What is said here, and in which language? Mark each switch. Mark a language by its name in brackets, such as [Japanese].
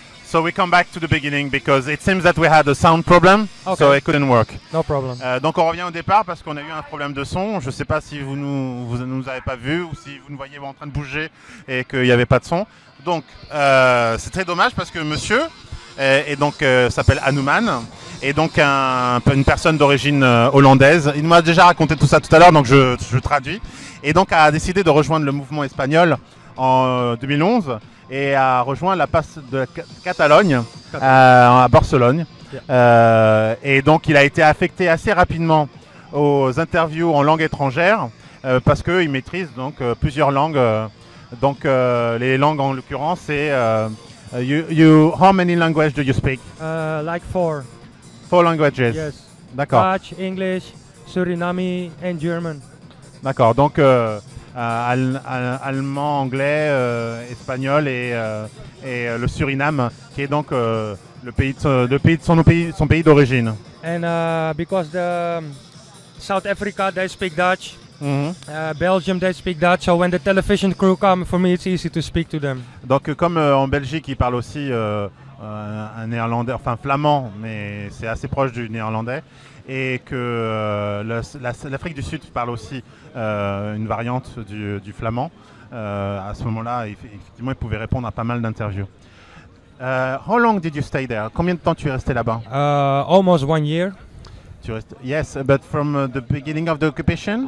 [English] So we come back to the beginning because it seems that we had a sound problem, okay. So it couldn't work. No problem. [French] Donc on revient au départ parce qu'on a eu un problème de son. Je ne sais pas si vous nous avez pas vu ou si vous nous voyez en train de bouger et qu'il n'y avait pas de son. Donc c'est très dommage parce que monsieur s'appelle Hanuman et donc une personne d'origine hollandaise. Il m'a déjà raconté tout ça tout à l'heure, donc je traduis. Et donc a décidé de rejoindre le mouvement espagnol en 2011. Et a rejoint la passe de Catalogne à Barcelone. Yeah. Et donc il a été affecté assez rapidement aux interviews en langue étrangère parce qu'il maîtrise donc plusieurs langues. Donc les langues en l'occurrence, c'est [English] how many languages do you speak? Like four. Four languages. Yes. [French] D'accord. [English] Dutch, English, Suriname and German. [French] D'accord. Donc allemand, anglais, espagnol et le Suriname, qui est donc son pays d'origine. [English] And because the South Africa they speak Dutch, mm-hmm. Belgium they speak Dutch. So when the television crew come, for me it's easy to speak to them. [French] Donc comme en Belgique ils parlent aussi un néerlandais, enfin flamand, mais c'est assez proche du néerlandais. Et que l'Afrique du Sud parle aussi une variante du flamand. À ce moment-là, effectivement, il pouvait répondre à pas mal d'interviews. [English] How long did you stay there? [French] Combien de temps tu es resté là-bas? [English] Almost one year. Yes, but from the beginning of the occupation?